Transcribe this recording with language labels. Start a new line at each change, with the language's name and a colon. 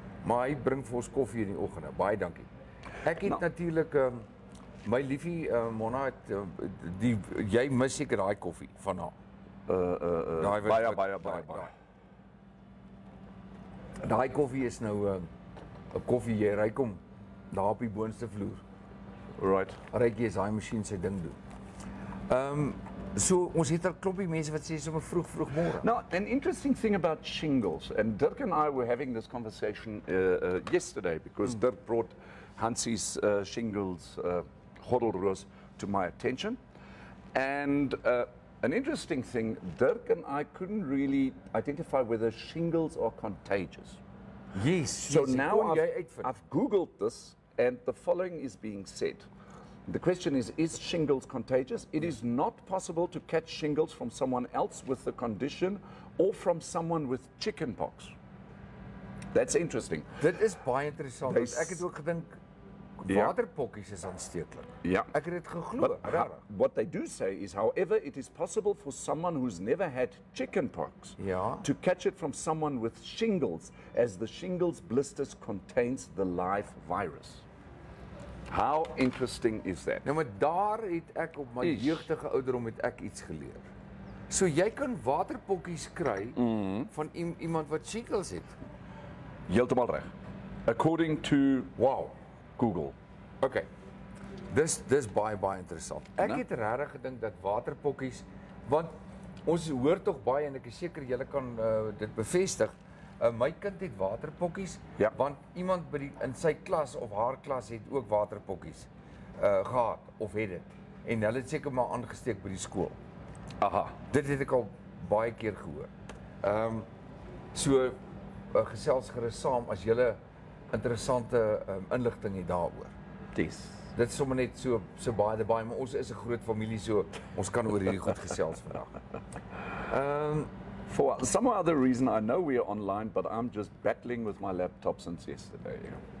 Afrikaans: Maar hy bring vir ons koffie in die oggende. Baie dankie. Ek het natuurlik my liefie Mona het die jy mis seker daai koffie van haar. Baie. Daai koffie is nou 'n koffie jy ry kom daar op die boonste vloer.
English: Right.
Afrikaans: Regtig is daai masjien sy ding doen. So ons het 'n klompie mense wat sê sommer vroeg môre.
English: Now, an interesting thing about shingles, and Dirk and I were having this conversation yesterday because Dirk brought Hansie's shingles gordelroos to my attention. And an interesting thing, Dirk and I couldn't really identify whether shingles are contagious. Yes, so now I've googled this and the following is being said. The question is shingles contagious? It is not possible to catch shingles from someone else with the condition or from someone with chickenpox. That's interesting.
Afrikaans: Dit is baie interessant. Ek het ook gedink waterpokkies is aansteeklik. Ja. Ek het dit geglo.
English: What they do say is, however, it is possible for someone who's never had chickenpox to catch it from someone with shingles, as the shingles blisters contains the live virus. How interesting is that?
Afrikaans: Nou maar daar het ek op my jeugdige ouderdom het ek iets geleer. So jy kan waterpokkies kry van iemand wat shingles het. Heeltemal reg.
English: According to Google.
Afrikaans: Okay. Dis baie interessant. Ek het regtig gedink dat waterpokkies want ons hoor tog baie en ek is seker julle kan dit bevestig. My kind het waterpokkies want iemand by die, in sy klas of haar klas het ook waterpokkies gehad of het dit en hulle het seker maar aangesteek by die skool. Aha, dit het ek al baie keer gehoor. So gesels gerus saam as julle interessante inligting het daaroor. Dis. Dit is sommer net so baie, maar ons is 'n groot familie so ons kan oor hierdie goed gesels vandag.
English: For some other reason, I know we are online, but I'm just battling with my laptop since yesterday.